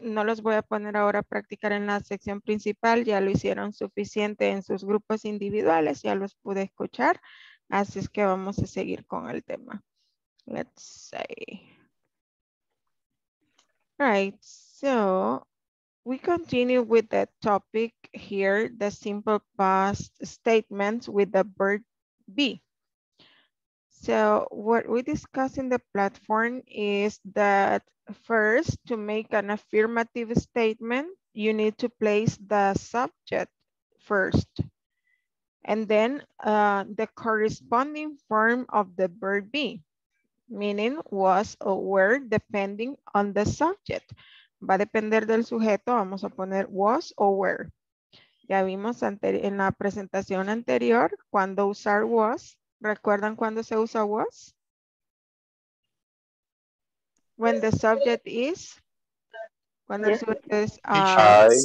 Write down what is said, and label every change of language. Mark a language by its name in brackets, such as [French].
[Spanish] No los voy a poner ahora a practicar en la sección principal. Ya lo hicieron suficiente en sus grupos individuales. Ya los pude escuchar. Así es que vamos a seguir con el tema. [English] Let's see. Right. So we continue with the topic here, the simple past statements with the verb be. So what we discuss in the platform is that first, to make an affirmative statement, you need to place the subject first. and then the corresponding form of the verb be, meaning was or were, depending on the subject. [Spanish] Va a depender del sujeto, vamos a poner was or were. Ya vimos en la presentación anterior cuando usar was. ¿Recuerdan cuando se usa was? [English] When the subject is. [Spanish] Cuando el sujeto es